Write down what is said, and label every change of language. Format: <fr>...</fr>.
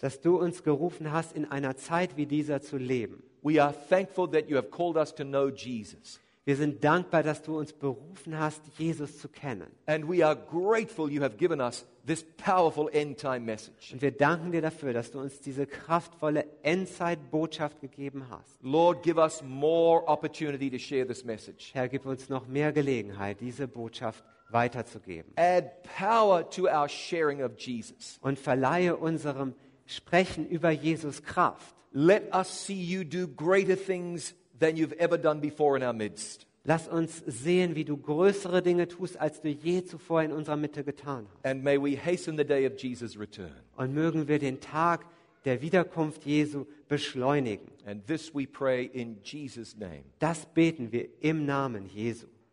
<de>Dass du uns gerufen hast, in einer Zeit wie dieser zu leben.</de> <en>We are thankful that you have called us to know Jesus.</en> <de>Wir sind dankbar, dass du uns berufen hast, Jesus zu kennen.</de> <en>And we are grateful you have given us this powerful end-time message.</en> <de>Und wir danken dir dafür, dass du uns diese kraftvolle Endzeitbotschaft gegeben hast.</de> <en>Lord, give us more opportunity to share this message.</en> <de>Herr, gib uns noch mehr Gelegenheit, diese Botschaft weiterzugeben.</de> <en>Add power to our sharing of Jesus.</en> <de>Und verleihe unserem Sprechen über Jesus Kraft.</de> <en>Let us see you do greater things than you've ever done before in our midst.</en> <de>Lass uns sehen, wie du größere Dinge tust, als du je zuvor in unserer Mitte getan hast.</de> <en>And may we hasten the day of Jesus' return.</en> <de>Und mögen wir den Tag der Wiederkunft Jesu beschleunigen.</de> <en>And this we pray in Jesus' name.</en> <de>Das beten wir im Namen Jesu.</de>